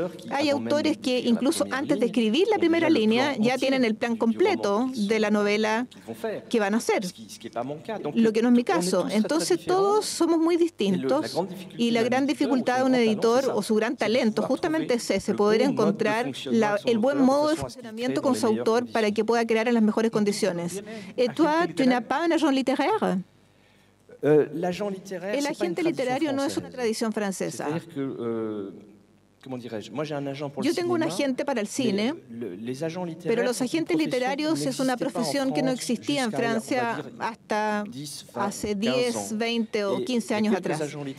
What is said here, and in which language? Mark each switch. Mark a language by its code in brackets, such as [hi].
[es] Hay autores que incluso antes de escribir la primera línea ya tienen el plan completo de la novela que van a hacer, lo que no es mi caso. Entonces todos somos muy distintos y la gran dificultad de un editor o su gran talento justamente es ese, poder encontrar el buen modo de funcionamiento con su autor para que pueda crear en las mejores condiciones. ¿Y tú, [fr] tu n'as pas un agent littéraire? [es] El agente literario no es una tradición francesa. Yo tengo un agente para el cine, pero los agentes literarios es una profesión que no existía en Francia hasta hace 10, 20 o 15 años atrás.